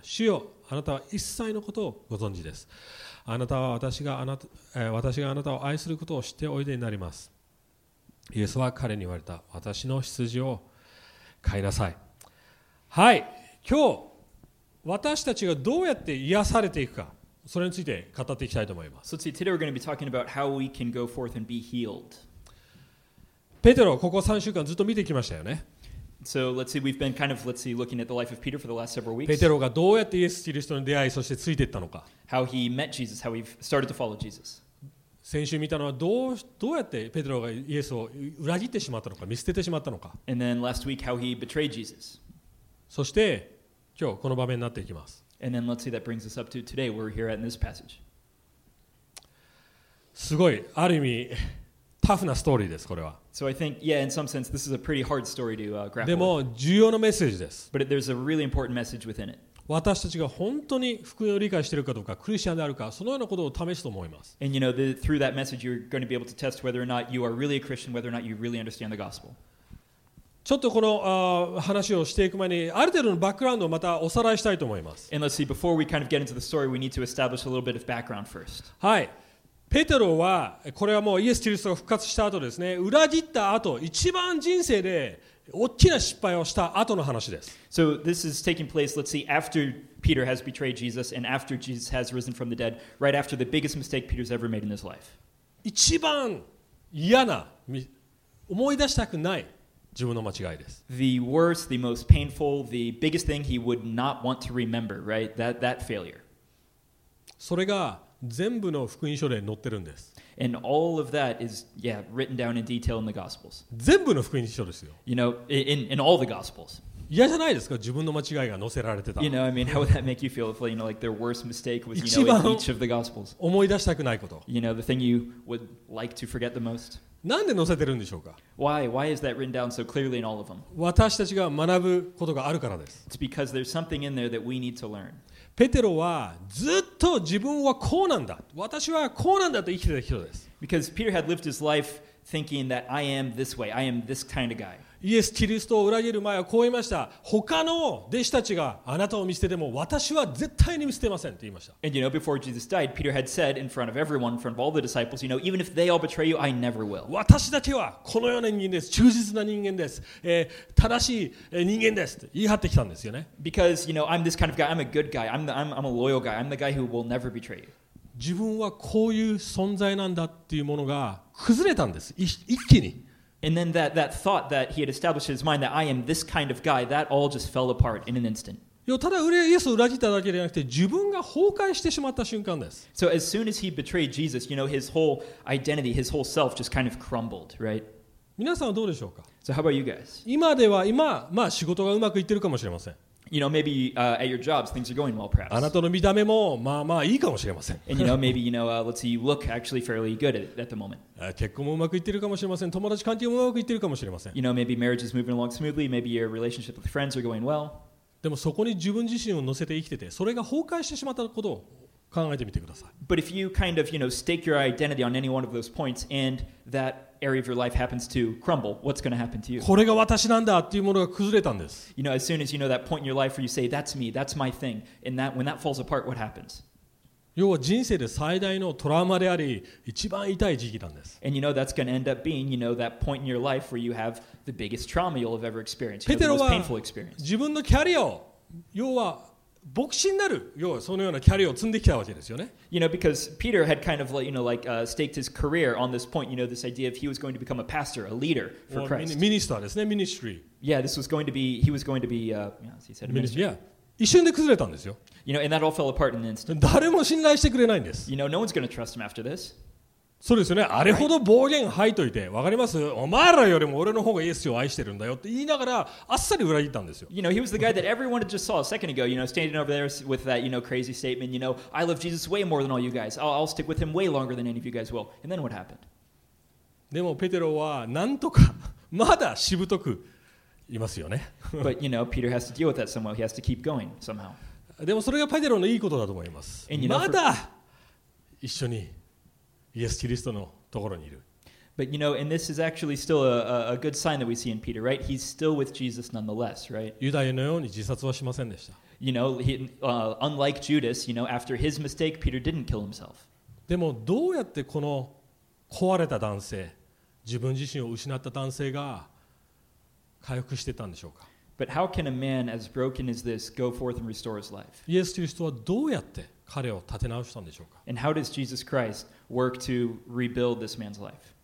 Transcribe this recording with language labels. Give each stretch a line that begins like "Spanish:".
Japanese: 主よ、あなたは一切のことをご存知です。あなたは私があなたを愛することを知っておいでになります。イエスは彼に言われた。私の羊を飼いなさい。はい、今日私たちがどうやって癒されていくか、それについて語っていきたいと思います。
English: So today we're going to be talking about how we can go forth and be healed.
Japanese: ペテロここ3週間ずっと見てきましたよね。
English: So let's see, we've been kind of, let's see, looking at the life of Peter for the last several weeks.
Japanese: ペテロがどうやってイエス・キリストに出会い、そしてついていったのか。
English: How he met Jesus, how he started to follow Jesus.
Japanese: 先週見たのはどうやってペテロがイエスを裏切ってしまったのか、見捨ててしまったのか。
English: And then last week, how he betrayed Jesus.
Japanese: そして今日この場面になっていきます。
English: And then let's see, that brings us up to today. We're here at this passage.
Japanese: すごいある意味タフなストーリーですこれは。
English: So I think, yeah, in some sense, this is a pretty hard story to grapple.
Japanese: でも重要なメッセージです。
English: But there's a really important message within it.
Japanese: 私たちが本当に福音を理解しているかどうか、クリスチャンであるか、そのようなことを試すと思います。
English: And you know, through that message, you're going to be able to test whether or not you are really a Christian, whether or not you really understand the gospel.
Japanese: ちょっとこの話をしていく前に、ある程度のバックグラウンドをまたおさらいしたいと思います。
English: And let's see, before we kind of get into the story, we need to establish a little bit of background first.
Japanese: はい。ペテロはこれはもうイエス・キリストが復活した後ですね、裏切った後、一番人生で大きな失敗をした後の話です。
English: So this is taking place, let's see, after Peter has betrayed Jesus and after Jesus has risen from the dead, right after the biggest mistake Peter's ever made in his life.
Japanese: 一番嫌な、思い出したくない自分の間違いです。
English: The worst, the most painful, the biggest thing he would not want to remember, right? That failure.
Japanese: それが全部の福音書で載ってるんです。
English: And all of that is, yeah, written down in detail in the Gospels.
Japanese: 全部の福音書ですよ。
English: You know, in all the Gospels.
Japanese: 嫌じゃないですか、自分の間違いが載せられてた。
English: You know, I mean, how would that make you feel if, you know, like their worst mistake was, you know, in each of the Gospels?
Japanese: 一番思い出したくないこと。
English: You know, the thing you would like to forget the most.
Japanese: なんで載せてるんでしょうか。
English: Why is that written down so clearly in all of them?
Japanese: 私たちが学ぶことがあるからです。
English: It's because there's something in there that we need to learn.
Japanese: ペテロはずっと自分はこうなんだ、私はこうなんだと生きてた人です。
English: Because Peter had lived his life thinking that I am this way, I am this kind of guy.
Japanese: イエス・キリストを裏切る前はこう言いました。他の弟子たちがあなたを見捨てても私は絶対に見捨てませんと言いました。
English: And you know, before Jesus died, Peter had said in front of everyone, in front of all the disciples, you know, even if they all betray you, I never will.
Japanese: 私だけはこのような人間です。忠実な人間です。正しい人間ですと言い張ってきたんですよね。
English: Because, you know, I'm this kind of guy. I'm a good guy. I'm a loyal guy. I'm the guy who will never betray you.
Japanese: 自分はこういう存在なんだっていうものが崩れたんです。一気に。
English: And then that thought that he had established in his mind that I am this kind of guy, that all just fell apart in an instant.
Japanese: ただイエスを裏切っただけではなくて、自分が崩壊してしまった瞬間です。
English: So as soon as he betrayed Jesus, you know, his whole identity, his whole self just kind of crumbled, right?
Japanese: 皆さんはどうでしょうか?
English: So how about you guys?
Japanese: 今では今、まあ仕事がうまくいってるかもしれません。
English: You know, maybe at your jobs, things are going well, perhaps.
Japanese: あなたの見た目もまあまあいいかもしれません。
English: And you know, maybe, you know, let's see, you look actually fairly good at the moment.
Japanese: 結婚もうまくいってるかもしれません。友達関係もうまくいってるかもしれません。
English: You know, maybe marriage is moving along smoothly. Maybe your relationship with friends are going well.
Japanese: でもそこに自分自身を乗せて生きてて、それが崩壊してしまったことを考えてみてください。
English: But if you kind of, you know, stake your identity on any one of those points and that area of your life happens to crumble, what's going to happen to you?
Japanese: これが私なんだっていうものが崩れたんです。
English: You know, as soon as you know that point in your life where you say, that's me, that's my thing, and that, when that falls apart, what happens?
Japanese: 要は人生で最大のトラウマであり、一番痛い時期なんです。
English: And you know, that's going to end up being, you know, that point in your life where you have the biggest trauma you'll have ever experienced, the most painful experience.
Japanese: 自分のキャリアを、要は牧師になる、要はそのようなキャリアを積んできたわけですよね。
English: You know, because Peter had kind of like, you know, like, staked his career on this point, you know, this idea of he was going to become a pastor, a leader for Christ.
Japanese: Minister ですね、ministry.
English: Yeah, this was going to be, he was going to be, as he said, a minister. Yeah.
Japanese: 一瞬で崩れたんですよ。
English: You know, and that all fell apart in an instant.
Japanese: 誰も信頼してくれないんです。
English: You know, no one's going to trust him after this.
Japanese: そうですよね。あれほど暴言吐いといて、わかります?お前らよりも俺の方がイエスを愛してるんだよって言いながら、あっさり裏切ったんですよ。
English: You know, he was the guy that everyone just saw a second ago, you know, standing over there with that, you know, crazy statement, you know, I love Jesus way more than all you guys. I'll stick with him way longer than any of you guys will. And then what happened?
Japanese: でもペテロはなんとか、まだしぶとくいますよね。
English: But, you know, Peter has to deal with that somehow. He has to keep going somehow.
Japanese: でもそれがペテロのいいことだと思います。
English: And, you know,
Japanese: まだ一緒に。イエス・キリストのところにいる。
English: But you know, and this is actually still a good sign that we see in Peter, right? He's still with Jesus nonetheless, right?
Japanese: ユダヤのように自殺はしませんでした。
English: You know, unlike Judas, you know, after his mistake, Peter didn't kill himself.
Japanese: でもどうやってこの壊れた男性、自分自身を失った男性が回復してたんでしょうか?
English: But how can a man as broken as this go forth and restore his life?
Japanese: イエス・キリストはどうやって彼を立て直したんでしょうか?
English: And how does Jesus Christ work to rebuild this man's life?